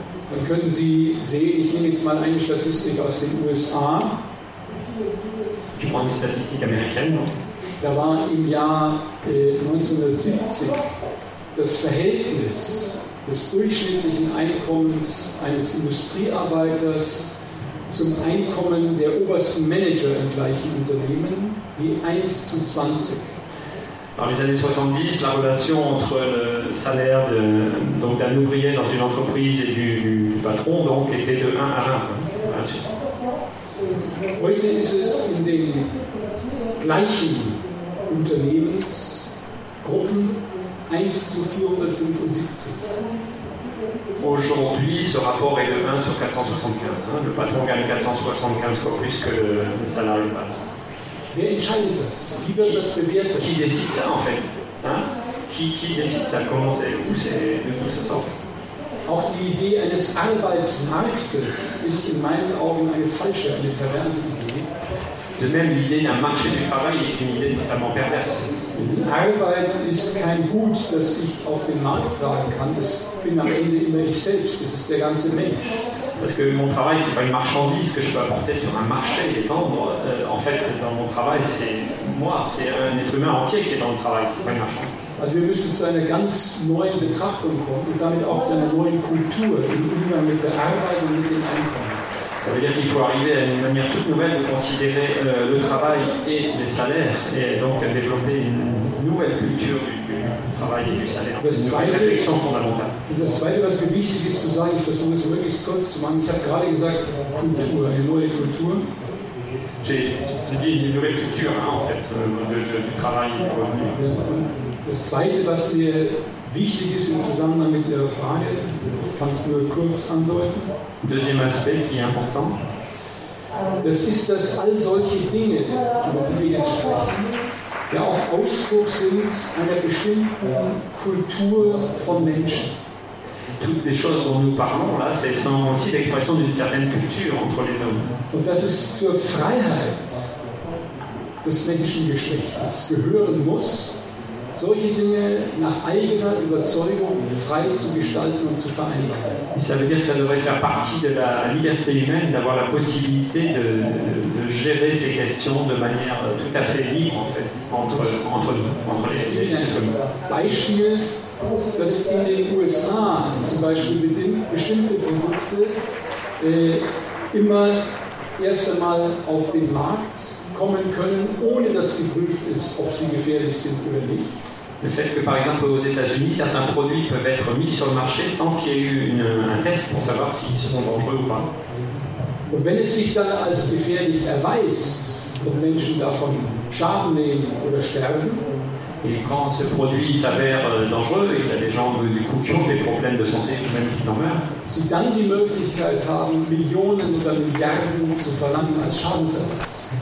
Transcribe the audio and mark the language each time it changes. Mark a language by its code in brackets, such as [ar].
[de] dann können Sie sehen, ich nehme jetzt mal eine Statistik aus den USA. [fr] Ich prends une statistique américaine, non? [de] Da war im Jahr 1970 das Verhältnis des durchschnittlichen Einkommens eines Industriearbeiters zum Einkommen der obersten Manager im gleichen Unternehmen wie 1 zu 20. [fr] Dans les années 70, la relation entre le salaire de, donc d'un ouvrier dans une entreprise et du patron donc, était de 1 à 20. [de] Heute ist es in den gleichen Unternehmensgruppen 1 zu 475. [fr] Aujourd'hui, ce rapport est de 1 sur 475. Le patron gagne 475 fois plus que le salarié passe. [de] Wer entscheidet das? Wie wird das bewertet? [fr] Qui décide ça, en fait? Qui décide ça? Comment c'est? Où c'est? De où ça sort? [de] Auch die Idee eines Arbeitsmarktes ist in meinen Augen eine falsche, eine perverse Idee. [fr] De même, l'idée d'un marché du travail est une idée totalement perverse. [de] Die Arbeit ist kein Gut, das ich auf den Markt tragen kann. Das bin am Ende immer ich selbst. Das ist der ganze Mensch. [fr] Parce que mon travail, c'est pas une marchandise que je peux apporter sur un marché et vendre. En fait, dans mon travail, c'est moi, c'est un être humain entier qui est dans le travail, c'est pas une marchandise. [de] Also wir müssen zu einer ganz neuen Betrachtung kommen und damit auch zu einer neuen Kultur im Umgang mit der Arbeit und mit dem Einkommen. [fr] Ça veut dire qu'il faut arriver à une manière toute nouvelle de considérer le travail et les salaires et donc développer une nouvelle culture du travail et du salaire. [de] Das zweite, [fr] une réflexion fondamentale. [de] Und das Zweite, was mir wichtig ist zu sagen, ich versuche es möglichst kurz zu machen, ich habe gerade gesagt, Kultur, eine neue Kultur. [fr] J'ai dit une nouvelle culture, hein, en fait, du travail et du revenu. [de] Das Zweite, was mir wichtig ist im Zusammenhang mit Ihrer Frage, kannst du nur kurz andeuten. [fr] Deuxième aspect qui est important. [de] Das ist, dass all solche Dinge, über die wir jetzt sprechen, ja auch Ausdruck sind einer bestimmten Kultur von Menschen. [fr] Toutes les choses dont nous parlons là, ce sont aussi l'expression d'une certaine culture entre les hommes. [de] Und das ist zur Freiheit des Menschengeschlechts gehören muss, solche Dinge nach eigener Überzeugung frei zu gestalten und zu vereinbaren. [fr] Ça veut dire que ça devrait faire partie de la liberté humaine d'avoir la possibilité de gérer ces questions de manière tout à fait libre, en fait, entre les hommes. [de] Beispiel, dass in den USA zum Beispiel bestimmte Produkte immer erst einmal auf den Markt kommen können, ohne dass geprüft ist, ob sie gefährlich sind oder nicht. [fr] Le fait que, par exemple, aux États-Unis, certains produits peuvent être mis sur le marché sans qu'il y ait eu un test pour savoir s'ils sont dangereux ou pas. [de] Und wenn es sich dann als gefährlich erweist und Menschen davon Schaden nehmen oder sterben, [fr] et quand ce produit s'avère dangereux et qu'il y a des gens du coup qui ont des problèmes de santé ou même qu'ils en meurent, [de] sie dann die Möglichkeit haben, Millionen oder Milliarden zu verlangen als Schadensersatz.